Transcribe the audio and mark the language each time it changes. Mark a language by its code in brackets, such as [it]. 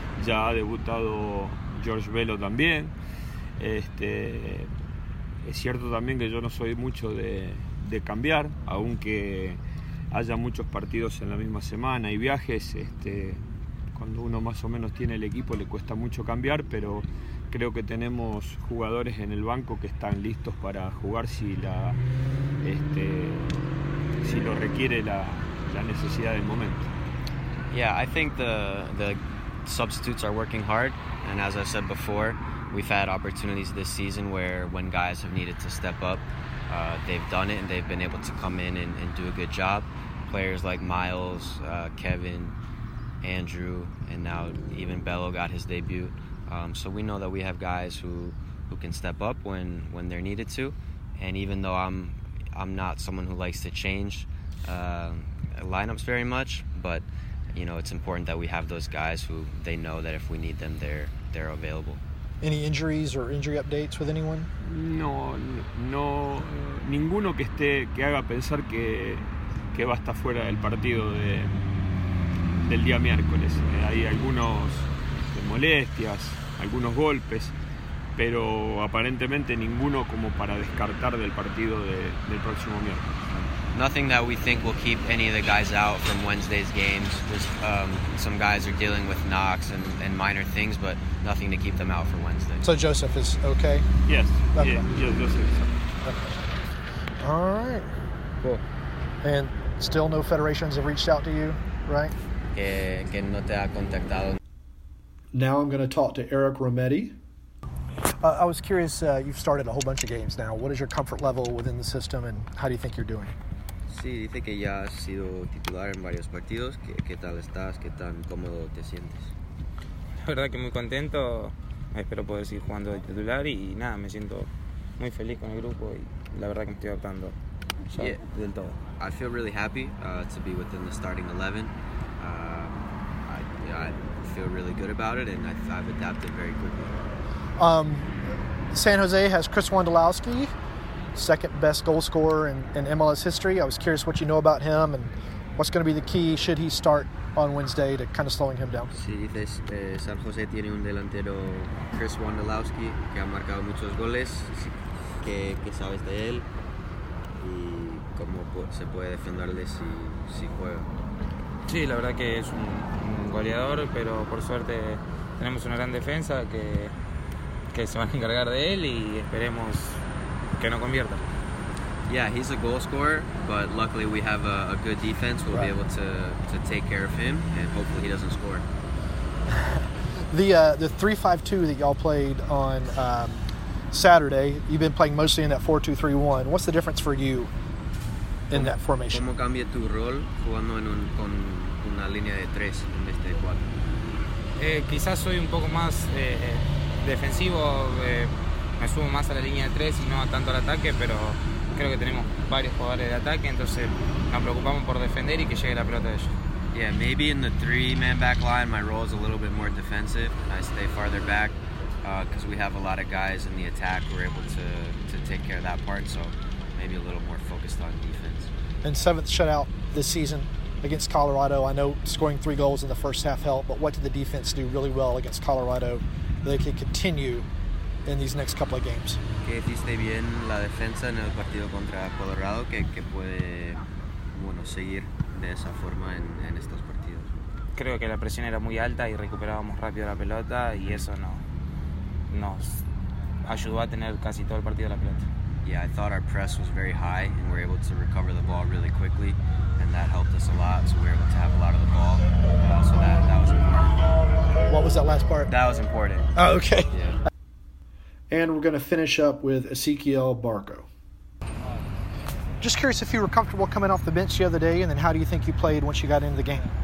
[es] Ya ha debutado George Velo también. Es cierto también que yo no soy mucho de cambiar, aunque haya muchos partidos en la misma semana y viajes. Cuando uno más o menos tiene el equipo le cuesta mucho cambiar, pero creo que tenemos jugadores en el banco que están listos para jugar si lo requiere la necesidad del momento. [en] Yeah, I think the substitutes are working hard, and as I said before, we've had opportunities this season where when guys have needed to step up, they've done it and they've been able to come in and do a good job. Players like Miles, Kevin, Andrew, and now even Bello got his debut. So we know that we have guys who can step up when they're needed to. And even though I'm not someone who likes to change lineups very much, but it's important that we have those guys who they know that if we need them, they're available. Any injuries or injury updates with anyone? [es] No, ninguno que haga pensar que va a estar fuera del partido del día miércoles. Hay algunos molestias, algunos golpes, pero aparentemente ninguno como para descartar del partido del próximo miércoles. [en] Nothing that we think will keep any of the guys out from Wednesday's games. Just some guys are dealing with knocks and minor things, but nothing to keep them out for Wednesday. So Joseph is okay? Yes. Okay. Yeah, Joseph is okay. All right. Cool. And still no federations have reached out to you, right? [es] Que no te ha contactado. [en] Now I'm going to talk to Eric Rometty. I was curious, you've started a whole bunch of games now. What is your comfort level within the system, and how do you think you're doing? [es] Sí, dice que ya has sido titular en varios partidos. ¿Qué tal estás? ¿Qué tan cómodo te sientes? La verdad que muy contento. Espero poder seguir jugando de titular y nada, me siento muy feliz con el grupo y la verdad que me estoy adaptando. [en] Yeah, [es] del todo. [en] I feel really happy to be within the starting 11. I feel really good about it, and I've adapted very quickly. San Jose has Chris Wondolowski, second best goal scorer in MLS history. I was curious what you know about him and what's going to be the key, should he start on Wednesday, to kind of slowing him down. [es] Sí, San Jose tiene un delantero, Chris Wondolowski, que ha marcado muchos goles. ¿Qué sabes de él? Y cómo se puede defenderle si juega. Sí, la verdad que es un goleador, pero por suerte tenemos una gran defensa que se van a encargar de él y esperemos que no convierta. [en] Yeah, he's a goal scorer, but luckily we have a good defense. We'll be able to take care of him, and hopefully he doesn't score. The 3-5-2 that y'all played on Saturday, you've been playing mostly in that 4-2-3-1. What's the difference for you in that formation? [es] ¿Cómo cambia tu rol jugando con una línea de tres en vez de cuatro? Quizás soy un poco más defensivo, me sumo más a la línea de tres y no tanto al ataque, pero creo que tenemos varios jugadores de ataque, entonces nos preocupamos por defender y que llegue la pelota a ellos. [en] Yeah, maybe in the three-man back line, my role is a little bit more defensive. I stay farther back because we have a lot of guys in the attack. We're able to take care of that part, so maybe a little more focused on defense. And seventh shutout this season against Colorado. I know scoring three goals in the first half helped, but what did the defense do really well against Colorado that they could continue in these next couple of games? [es] Que hiciste bien la defensa en el partido contra Colorado, que puede seguir de esa forma en estos partidos. Creo que la presión era muy alta y recuperábamos rápido la pelota y eso nos ayudó a tener casi todo el partido la pelota. [en] Yeah, I thought our press was very high and we were able to recover the ball really quickly, and that helped us a lot, so we were able to have a lot of the ball. So that was important. What was that last part? That was important. Oh, okay. Yeah. And we're going to finish up with Ezequiel Barco. Just curious if you were comfortable coming off the bench the other day, and then how do you think you played once you got into the game?